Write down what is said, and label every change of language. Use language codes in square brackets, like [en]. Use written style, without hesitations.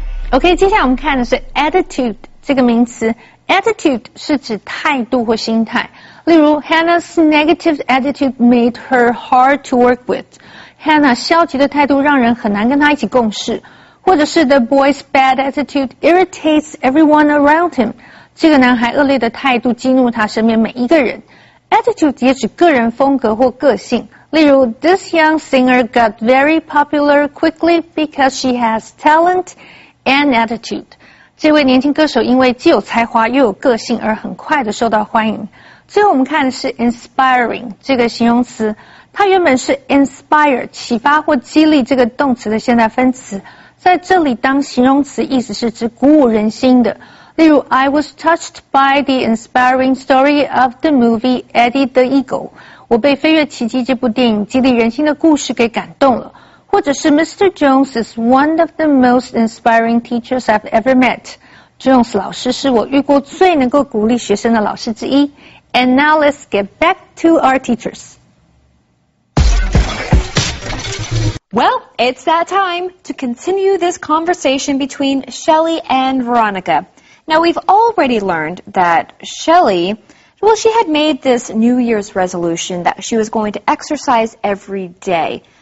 [zh] OK, 接下来我们看的是 attitude 这个名词。Attitude 是指态度或心态。例如 [en] ,Hannah's negative attitude made her hard to work with. [zh] Hannah 消极的态度让人很难跟她一起共事。或者是 [en] the boy's bad attitude irritates everyone around him. [zh] 这个男孩恶劣的态度激怒他身边每一个人。Attitude 也指个人风格或个性。例如 [en] ,this young singer got very popular quickly because she has talent,and attitude. [zh] 这位年轻歌手因为既有才华又有个性而很快地受到欢迎。最后我们看的是 inspiring, 这个形容词。它原本是 inspire, 启发或激励这个动词的现在分词。在这里当形容词意思是指鼓舞人心的。例如 [en] I was touched by the inspiring story of the movie Eddie the Eagle. [zh] 我被飞跃奇迹这部电影激励人心的故事给感动了。或者是 [en] Mr. Jones is one of the most inspiring teachers I've ever met. [zh] Jones 老师是我遇过最能够鼓励学生的老师之一。 [en] And now let's get back to our teachers. Well, it's that time to continue this conversation between Shelley and Veronica. Now, we've already learned that Shelley, well, she had made this New Year's resolution that she was going to exercise every day.